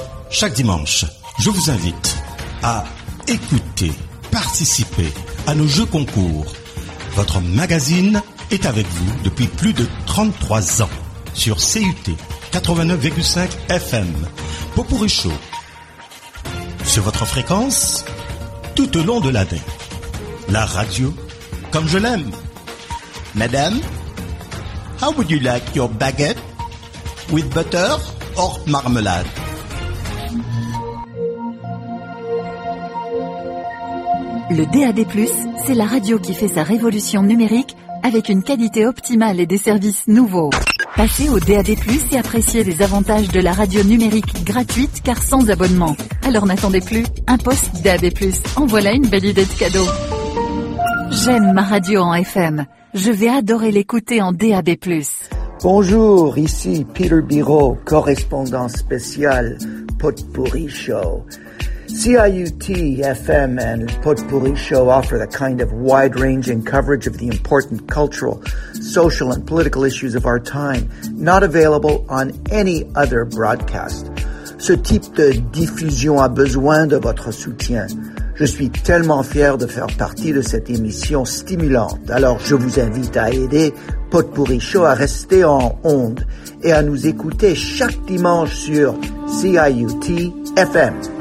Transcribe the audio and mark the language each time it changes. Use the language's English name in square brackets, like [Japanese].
[French] Chaque dimanche, je vous invite à écouter, participer à nos jeux concours. Votre magazine est avec vous depuis plus de 33 ans sur CUT 89,5 FM. Popourri Show, sur votre fréquence, tout au long de l'année. La radio, comme je l'aime. [English] Madame, how would you like your baguette with butter or marmalade? [French] Le DAB+, c'est la radio qui fait sa révolution numérique avec une qualité optimale et des services nouveaux. Passez au DAB+ et appréciez les avantages de la radio numérique gratuite car sans abonnement. Alors n'attendez plus, un poste DAB+, en voilà une belle idée de cadeau. J'aime ma radio en FM, je vais adorer l'écouter en DAB+. Bonjour, ici Peter Biro, correspondant spécial Potpourri Show. [English] CIUT FM and Potpourri Show offer a kind of wide-ranging coverage of the important cultural, social, and political issues of our time, not available on any other broadcast. [French] Ce type de diffusion a besoin de votre soutien. Je suis tellement fier de faire partie de cette émission stimulante. Alors, je vous invite à aider Potpourri Show à rester en onde et à nous écouter chaque dimanche sur CIUT FM.